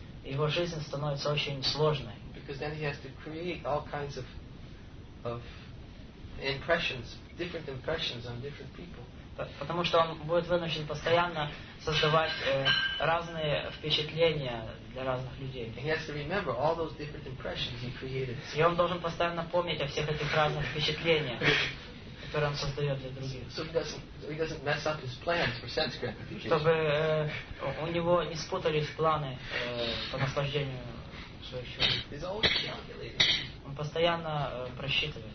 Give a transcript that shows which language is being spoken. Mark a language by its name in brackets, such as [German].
[Russian] Его жизнь становится очень сложной. [English] Because then he has to create all kinds of impressions, different impressions on different people. [Russian] Потому что он будет вынужден постоянно создавать разные впечатления для разных людей. [English] He has to remember all those different impressions he created. [Russian] И он должен постоянно помнить о всех этих разных впечатлениях. Который он создает для других. [English] So he doesn't mess up his plans for sense gratification. [Russian] Чтобы у него не спутались планы по наслаждению своих чувств. [English] He's always calculating. [Russian] Он постоянно просчитывает.